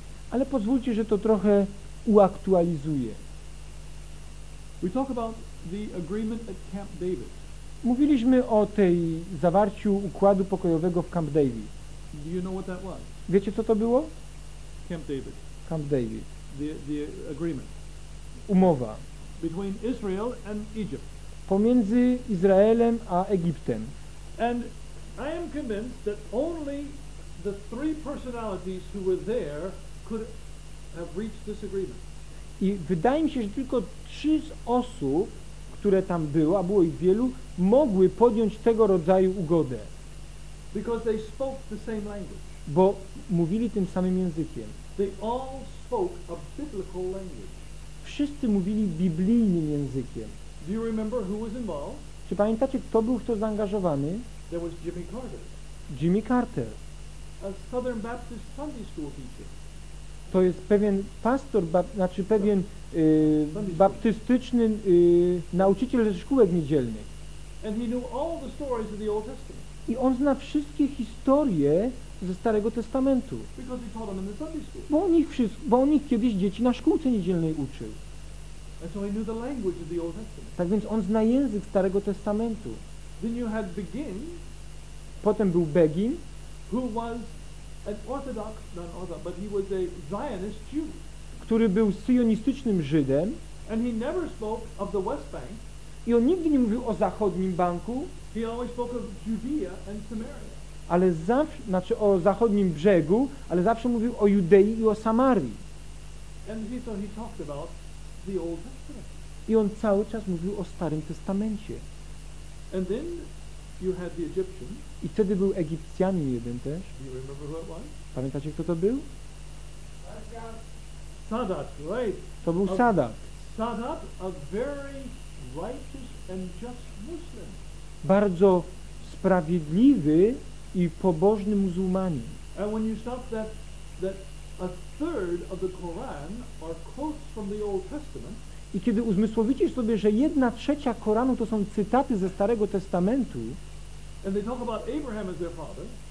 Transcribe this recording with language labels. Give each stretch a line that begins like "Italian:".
Polish: Ale pozwólcie, że to trochę uaktualizuję.
English: We talk about the agreement at Camp David.
Polish: Mówiliśmy o tej zawarciu układu pokojowego w Camp David.
English: Do you know what that was?
Polish: Wiecie, co to było?
English: Camp David.
Polish: Camp David.
English: The agreement.
Polish: Umowa.
English: Between Israel and Egypt.
Polish: Pomiędzy Izraelem a Egiptem.
English: And I am convinced that only the three personalities who were there could have reached this agreement.
Polish: I wydaje mi się, że tylko trzy z osób, które tam było, a było ich wielu, mogły podjąć tego rodzaju ugodę.
English: Because they spoke the same language.
Polish: Bo mówili tym samym językiem.
English: They all spoke a biblical language.
Polish: Wszyscy mówili biblijnym językiem.
English: Do you remember who was involved?
Polish: Czy pamiętacie, kto był w to zaangażowany?
English: There was Jimmy Carter.
Polish: Jimmy Carter.
English: A Southern Baptist Sunday School teacher.
Polish: To jest pewien pastor, znaczy pewien baptystyczny nauczyciel ze szkółek niedzielnych.
English: And he knew all the stories of the Old Testament.
Polish: I on zna wszystkie historie ze Starego Testamentu.
English: Because he taught them in the Sunday school.
Polish: Bo on ich kiedyś dzieci na szkółce niedzielnej uczył.
English: And so he knew the language of the Old Testament.
Polish: Tak więc on zna język Starego Testamentu.
English: Then you had Begin,
Polish: potem był Begin,
English: who was an orthodox, not orthodox, but he was a Zionist Jew.
Polish: Który był syjonistycznym Żydem.
English: And he never spoke of the West Bank.
Polish: I on nigdy nie mówił o zachodnim banku.
English: He always spoke of Judea and Samaria.
Polish: Ale zawsze, znaczy o zachodnim brzegu, ale zawsze mówił o Judei i o Samarii.
English: And he, so he talked about the Old Testament.
Polish: I on cały czas mówił o Starym Testamencie.
English: And then you had the Egyptian.
Polish: I wtedy był Egipcjanin jeden też. Pamiętacie, kto to był?
English: Sadat, right?
Polish: To był Sadat.
English: Sadat, a very righteous and just Muslim.
Polish: Bardzo sprawiedliwy i pobożny muzułmanin.
English: And when you stop that, that a third of the Quran are quotes from the Old Testament.
Polish: I kiedy uzmysłowicie sobie, że jedna trzecia Koranu to są cytaty ze Starego Testamentu.
English: And they talk about Abraham as their father.